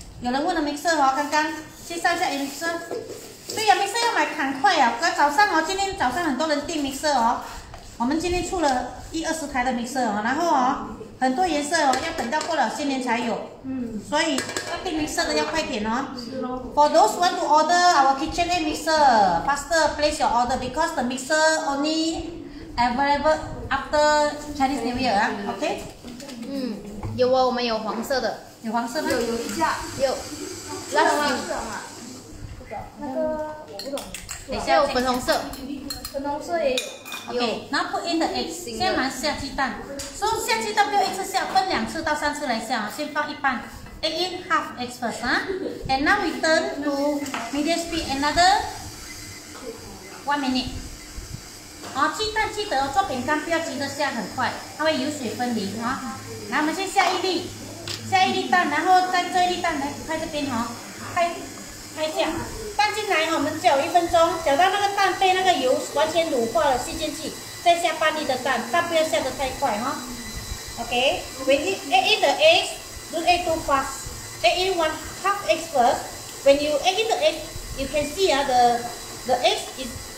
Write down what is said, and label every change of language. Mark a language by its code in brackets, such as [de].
[zh] 有人问了 mixer 哦，刚刚介绍一下 mixer。对呀、啊、，mixer 要买赶快啊！刚早上哦，今天早上很多人订 mixer 哦。我们今天出了一二十台的 mixer 哦，然后哦，很多颜色哦，要等到过了新年才有。嗯。所以要订 mixer 的要快点哦。是咯。 [en] For those want to order our KitchenAid mixer, faster place your order because the mixer only. Available after Chinese New Year 啊 ，OK？ [zh] 嗯，有哦，我们有黄色的，有黄色吗？有一架，有。那什么？那个我不懂。等一下，有粉红色，粉红色也有。 OK， 然后 [en] put in the egg， [zh] 先来下鸡蛋。所以下鸡蛋不要一次下，分两次到三次来下啊，先放一半 ， [en] egg in half egg first [zh] 啊。 [en] And now we turn to medium speed another 1 minute。 [zh] 好、哦，鸡蛋记得、哦、做饼干不要急着下，很快它会油水分离哈、哦。来，我们先下一粒，下一粒蛋，然后再这一粒蛋来拍这边哈、哦，拍一下。蛋进来我们搅一分钟，搅到那个蛋被那个油完全乳化了，吸进去，再下半粒的蛋，但不要下得太快哈、哦。 [en] OK， when you add in the eggs, don't add too fast. Add in one half egg first. When you add in the egg, you can see the eggs is.